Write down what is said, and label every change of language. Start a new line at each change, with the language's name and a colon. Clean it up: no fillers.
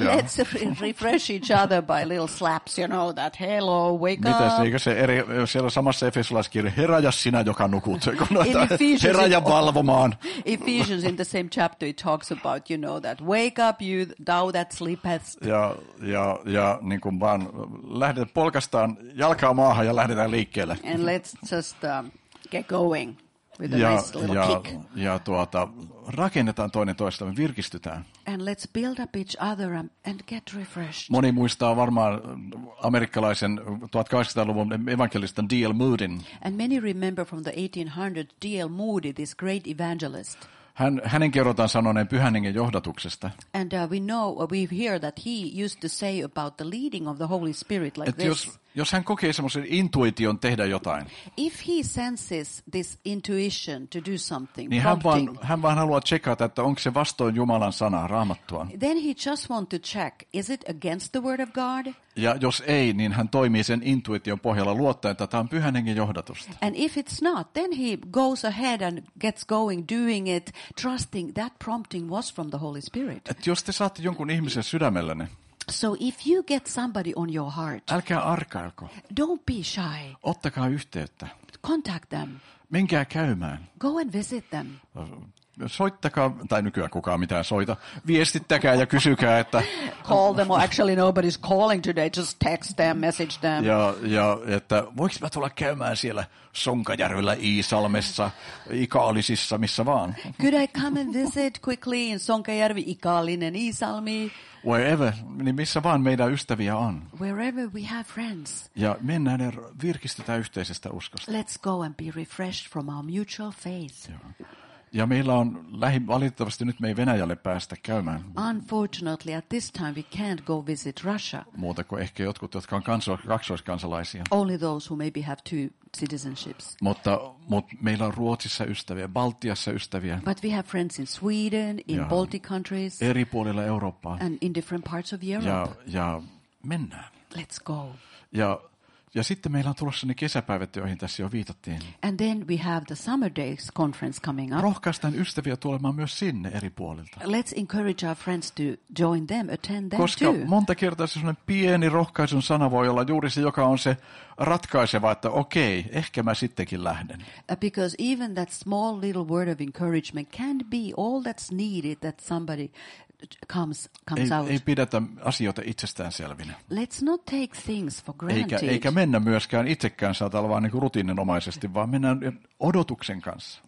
English: Let's refresh each other by little slaps, you know, that hello, wake
Finnish: mitäs,
English: up.
Finnish: Eikö se eri, siellä samassa Efesolaiskirja, herää sinä, joka nukut. Herää valvomaan.
English: Ephesians in the same chapter, it talks about, you know, that wake up, you thou that sleepest.
Finnish: Ja niin kuin vaan lähdetään polkastaan jalkaa maahan ja lähdetään liikkeelle.
English: And let's just get going with a nice little kick.
Finnish: Rakennetaan toinen toistamme, virkistytään.
English: And let's build up each other and get refreshed.
Finnish: Moni muistaa varmaan amerikkalaisen 1800-luvun evankelistan D.L. Moodyn.
English: And many remember from the 1800s D.L. Moody, this great evangelist.
Finnish: Hänen kerrotaan sanoneen Pyhän Hengen johdatuksesta.
English: And we know, we hear that he used to say about the leading of the Holy Spirit like this.
Finnish: Jos hän kokee semmoisen intuition tehdä jotain.
English: If he senses this intuition to do something,
Finnish: niin hän vaan haluaa tsekata, että onko se vastoin Jumalan sanaa, Raamattua.
English: Then he just want to check, is it against the word of God?
Finnish: Ja jos ei, niin hän toimii sen intuition pohjalla luottaen, että tämä on Pyhän Hengen johdatusta.
English: And if it's not, then he goes ahead and gets going doing it, trusting that prompting was from the Holy Spirit.
Finnish: Et jos te saatte jonkun ihmisen sydämellenne,
English: so if you get somebody on your heart,
Finnish: älkää arkailko.
English: Don't be shy.
Finnish: Ottakaa yhteyttä.
English: Contact them.
Finnish: Menkää käymään.
English: Go and visit them.
Finnish: Soittakaa, tai nykyään kukaan mitään soita. Viestittäkää ja kysykää, että
English: call them, or actually nobody's calling today, just text them, message them.
Finnish: Ja että voiko mä tulla käymään siellä Sonkajärvellä, Iisalmessa, Ikaalisissa, missä vaan.
English: Could I come and visit quickly in Sonkajärvi, Ikaalinen, Iisalmi? Wherever,
Finnish: niin missä vaan meidän ystäviä on.
English: Wherever we have friends.
Finnish: Ja mennään ja virkistetään yhteisestä uskosta.
English: Let's go and be refreshed from our mutual faith.
Finnish: Ja meillä on valitettavasti nyt me ei Venäjälle päästä käymään.
English: Unfortunately, at this time we can't go visit Russia.
Finnish: Muuta kuin ehkä jotkut, jotka on kaksoiskansalaisia.
English: Only those who maybe have two citizenships.
Finnish: Mutta meillä on Ruotsissa ystäviä, Baltiassa ystäviä.
English: But we have friends in Sweden, in Baltic countries.
Finnish: Eri puolilla Eurooppaa.
English: And in different parts of Europe.
Finnish: Ja mennään.
English: Let's go.
Finnish: Ja sitten meillä on tulossa ne kesäpäivät, joihin tässä jo viitattiin.
English: And then we have the summer days conference coming up.
Finnish: Rohkaistaan ystäviä tulemaan myös sinne eri puolilta.
English: Let's encourage our friends to join them, attend them.
Finnish: Koska
English: too.
Finnish: Koska monta kertaa semmoinen pieni rohkaisun sana voi olla juuri se, joka on se ratkaiseva, että okei, ehkä mä sittenkin lähden.
English: Because even that small little word of encouragement can be all that's needed that somebody comes out.
Finnish: Ei pidetä asioita itsestään selvinä.
English: Let's not take things for granted.
Finnish: Eikä mennä myöskään itsekään saata olla vaan niin kuin rutiininomaisesti, vaan mennään odotuksen kanssa.